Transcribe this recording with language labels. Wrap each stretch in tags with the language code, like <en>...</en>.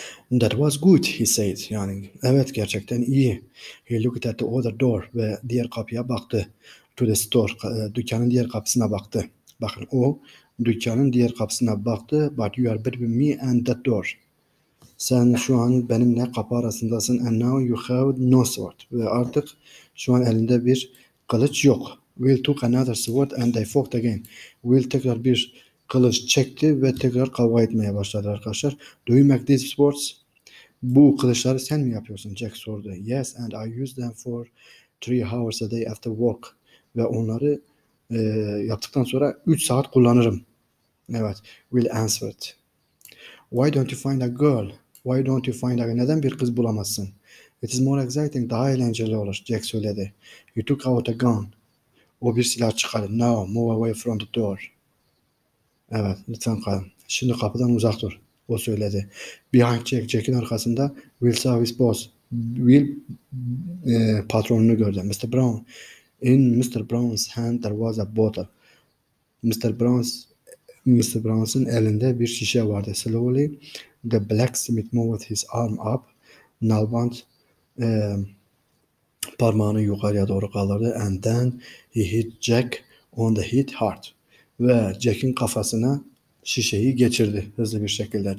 <en>That was good, he said.</en> <tr>Yani evet gerçekten iyi.</tr> <en>He looked at the other door</en> <tr>ve diğer kapıya baktı.</tr> <en>To the store,</en> <tr>dükkanın diğer kapısına baktı. Bakın o dükkanın diğer kapısına baktı.</tr> <en>But you are between me and that door.</en> <tr>Sen şu an benimle kapı arasındasın.</tr> <en>And now you have no sword.</en> <tr>Ve artık şu an elinde bir kılıç yok.</tr> <en>Will took another sword and they fought again.</en> <tr>Will tekrar bir kılıç çekti ve tekrar kavga etmeye başladı arkadaşlar.</tr> <en>Do you make these swords?</en> <tr>Bu kılıçları sen mi yapıyorsun? Jack sordu.</tr> <en>Yes, and I use them for 3 hours a day after work.</en> <tr>Ve onları yaptıktan sonra 3 saat kullanırım.</tr> <en>Evet, Will answered. Why don't you find a girl? Why don't you find a girl?</en> <tr>Neden bir kız bulamazsın?</tr> <en>It is more exciting.</en> <tr>Daha eğlenceli olur. Jack söyledi.</tr> <en>He took out a gun.</en> <tr>O bir silah çıkardı.</tr> <en>Now move away from the door.</en> <tr>Evet, lütfen kalın. Şimdi kapıdan uzak dur. O söyledi.</tr> <en>Behind Jack,</en> <tr>Jack'in arkasında</tr> <en>Will saw his boss.</en> <tr>Will patronunu gördü. Mr. Brown.</tr> <en>In Mr. Brown's hand there was a bottle.</en> <tr>Mr. Brown's'ın elinde bir şişe vardı.</tr> <en>Slowly the blacksmith moved his arm up.</en> <tr>Nalbant parmağını yukarıya doğru kaldırdı.</tr> <en>And then he hit Jack on the head hard.</en> <tr>Ve Jack'in kafasına şişeyi geçirdi hızlı bir şekilde.</tr>